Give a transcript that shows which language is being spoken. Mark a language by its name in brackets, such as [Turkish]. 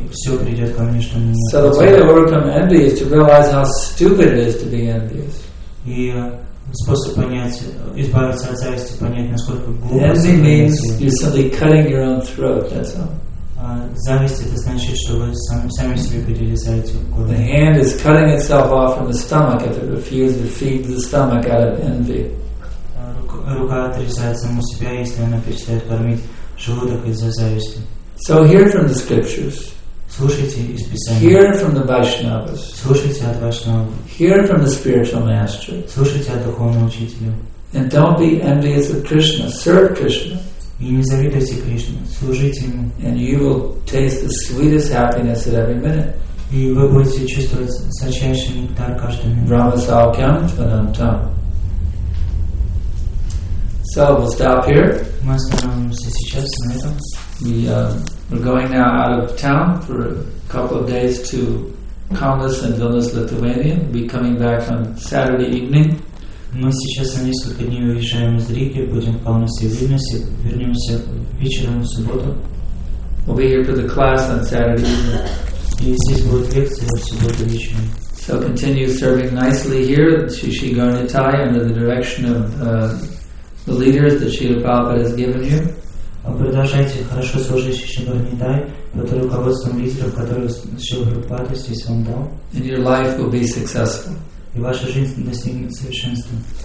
[English] So the way to overcome envy is to realize how stupid it is to be envious. [Russian] Способ понять, избавиться от зависти, понять, насколько глупо. [English] Envy means you're simply cutting your own throat, that's all. [Russian] Зависть это значит, что вы сами себе перерезаете горло. [English] The hand is cutting itself off from the stomach if it refuses to feed the stomach out of envy. [Russian] Рука отрезает саму себя, если она перестает кормить желудок из-за зависти. [English] So hear from the scriptures. [Russian] Слушайте из Писания. [English] Hear from the Vaishnavas. [Russian] Слушайте от Вайшнавов. [English] Hear from the spiritual master. [Russian] Слушайте от духовного учителя. [English] And don't be envious of Krishna. Serve Krishna. [Russian] И не завидуйте Кришне. Служите ему. [English] And you will taste the sweetest happiness at every minute. [Russian] И вы будете чувствовать сочайший нектар каждый минут. [Sanskrit] Brahma Saukhyam Tvanantam. [English] So we'll stop here. [Russian] Мы остановимся сейчас на этом. [English] We're going now out of town for a couple of days to Kaunas and Vilnius, Lithuania. We'll be coming back on Saturday evening. [Russian] Мы сейчас на несколько дней уезжаем из Риги, будем в Каунасе и Вильнюсе, вернемся вечером в субботу. [English] We'll be here for the class on Saturday evening. [Russian] И здесь будет лекция в субботу вечером. [English] So continue serving nicely here, Shishi Garnitai, under the direction of the leaders that Srila Prabhupada has given you. [Russian] Продолжайте хорошо служить Бхагаватам, под руководством лидеров, которые Шрила Прабхупада здесь вам дал. [English] And your life will be successful. [Russian] И ваша жизнь достигнет совершенства.